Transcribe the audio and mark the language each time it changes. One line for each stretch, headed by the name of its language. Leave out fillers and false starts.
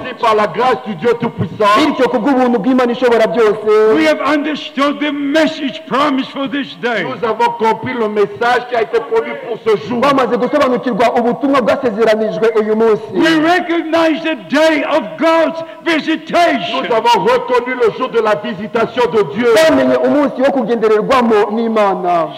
French: Ainsi par la grâce du Dieu Tout-Puissant.
English: We have understood the message promised for this day.
French: Nous avons compris le message qui a été promis pour ce jour.
Kinyarwanda: Bamaze gusobanukirwa ubutumwa bwasezeranijwe uyu munsi.
English: We recognize the day of God's visitation.
French: Nous avons reconnu le jour de la visitation de Dieu.